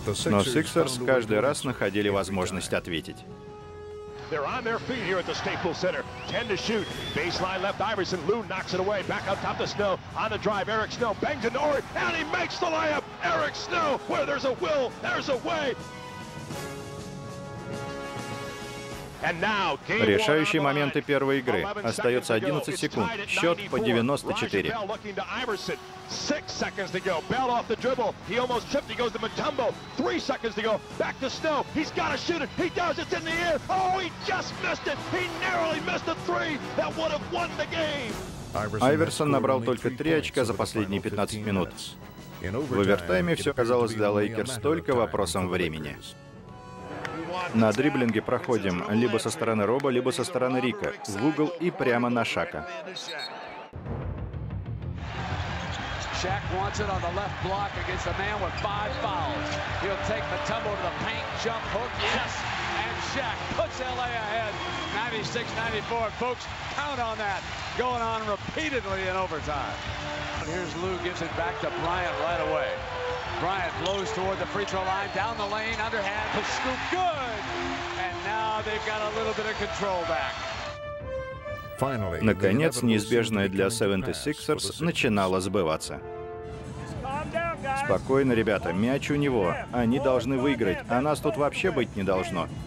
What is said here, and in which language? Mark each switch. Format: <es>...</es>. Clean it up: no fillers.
<ru>Но Сиксерс каждый раз находили возможность ответить.</ru> <en>They're on their feet here at the Staples Center. 10 to shoot. Baseline left, Iverson. Lou knocks it away. Back up top to Snow. On the drive, Eric Snow. Bang to Nori. And he makes the layup. Eric Snow. Where there's a will, there's a way. And now,</en> <ru>решающие моменты первой игры. Остается 11 секунд. Счет по 94.</ru> <en>Rajah Bell looking to Iverson. 6 seconds to go. Bell off the dribble. He almost tripped. He goes to Mutombo. 3 seconds to go. Back to Snow. He's got to shoot it. He does. It's in the air. Oh, he just missed it. He narrowly missed a three that would have won the game.</en> <ru>Айверсон набрал только 3 очка за последние 15 минут. В овертайме все казалось для Лейкерс только вопросом времени. На дриблинге проходим либо со стороны Роба, либо со стороны Рика. В угол и прямо на Шака.</ru> <en>Shaq wants it on the left block against a man with 5 fouls. He'll take the tumble to the paint, jump hook, yes, and Shaq puts LA ahead, 96-94. Folks, count on that going on repeatedly in overtime. And here's Lou, gives it back to Bryant right away. Bryant blows toward the free throw line, down the lane, underhand, the scoop, good! And now they've got a little bit of control back.</en> <ru>Наконец, неизбежное для 76ers начинало сбываться. Спокойно, ребята, мяч у него. Они должны выиграть, а нас тут вообще быть не должно.</ru>